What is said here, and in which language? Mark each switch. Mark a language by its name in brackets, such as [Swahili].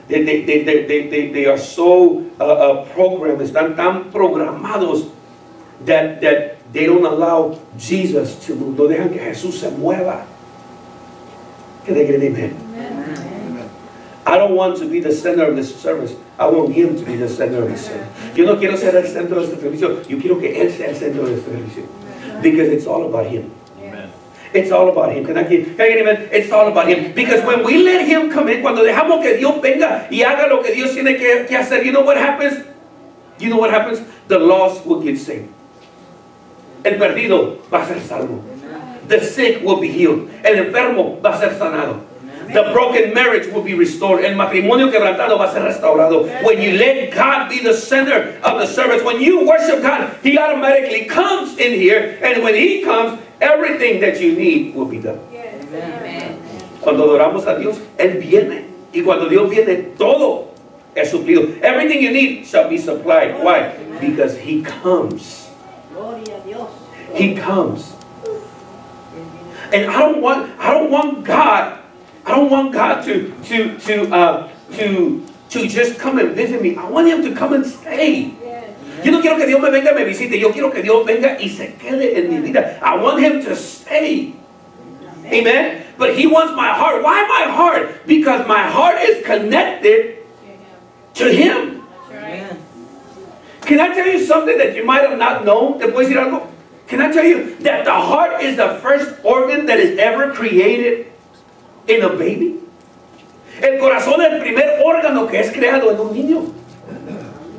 [English] They are so programmed. [Spanish] Están tan programados [English] that they don't allow Jesus to move. [Spanish] No dejan que Jesús se mueva. [English] Can I get an amen? I don't want to be the center of this service. I want him to be the center of the service. [Spanish] Yo no quiero ser el centro de este servicio. Yo quiero que él sea el centro de este servicio. [English] Because it's all about him. Amen. It's all about him. Can I get amen? It's all about him. Because when we let him come in, [Spanish] cuando dejamos que Dios venga y haga lo que Dios tiene que hacer, [English] you know what happens? The lost will get saved. [Spanish] El perdido va a ser salvo. [English] The sick will be healed. [Spanish] El enfermo va a ser sanado. [English] The broken marriage will be restored. [Spanish] El matrimonio quebrantado va a ser restaurado. [English] When you let God be the center of the service, when you worship God, He automatically comes in here. And when He comes, everything that you need will be done. Amen. [Spanish] Cuando adoramos a Dios, Él viene. Y cuando Dios viene, todo es suplido. [English] Everything you need shall be supplied. Why? Because He comes. [Spanish] Gloria a Dios. [English] He comes. And I don't want God to just come and visit me. I want Him to come and stay. Yes. [Spanish] Yo no quiero que Dios me venga y me visite. Yo quiero que Dios venga y se quede en mi vida. [English] I want Him to stay. Amen. Amen? But He wants my heart. Why my heart? Because my heart is connected to Him. Amen. Can I tell you something that you might have not known? [Spanish] ¿Te puedes decir algo? [English] Can I tell you that the heart is the first organ that is ever created in a baby? [Spanish] El corazón es el primer órgano que es creado en un niño.